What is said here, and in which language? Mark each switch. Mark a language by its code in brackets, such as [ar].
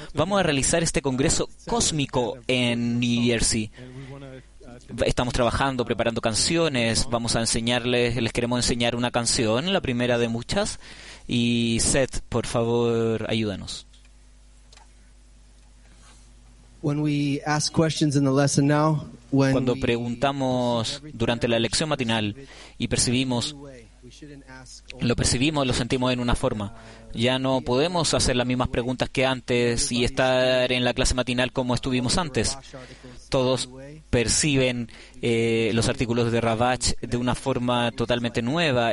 [es] Vamos a realizar este congreso cósmico en New Jersey. Estamos trabajando, preparando canciones. Vamos a enseñarles, les queremos enseñar una canción, la primera de muchas. Y Seth, por favor, ayúdanos. [en] When we ask questions in the lesson now, [es] cuando preguntamos durante la lección matinal y percibimos, lo percibimos, lo sentimos en una forma. Ya no podemos hacer las mismas preguntas que antes y estar en la clase matinal como estuvimos antes. Todos perciben los artículos de Ravach de una forma totalmente nueva.